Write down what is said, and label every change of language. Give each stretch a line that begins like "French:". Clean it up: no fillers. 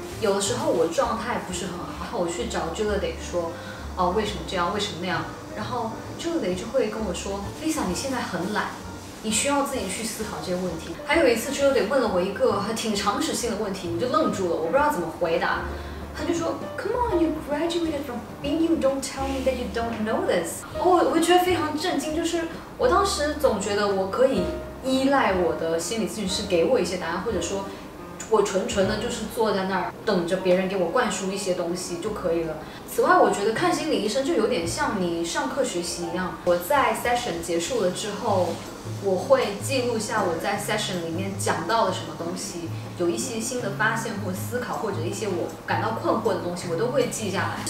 Chinese: 有的时候我状态不是很好，我去找这个得说，哦，为什么这样，为什么那样，然后这个得就会跟我说， Lisa 你现在很懒，你需要自己去思考这些问题。还有一次，这个得问了我一个还挺常识性的问题，我就愣住了，我不知道怎么回答。他就说
English: Come on, you graduated from being, you don't tell me that you don't know this.
Chinese: 我觉得非常震惊，就是我当时总觉得我可以依赖我的心理咨询师给我一些答案，或者说我纯纯的就是坐在那儿等着别人给我灌输一些东西就可以了。此外，我觉得看心理医生就有点像你上课学习一样，我在 session 结束了之后，我会记录下我在 session 里面讲到了什么东西，有一些新的发现或思考，或者一些我感到困惑的东西，我都会记下来。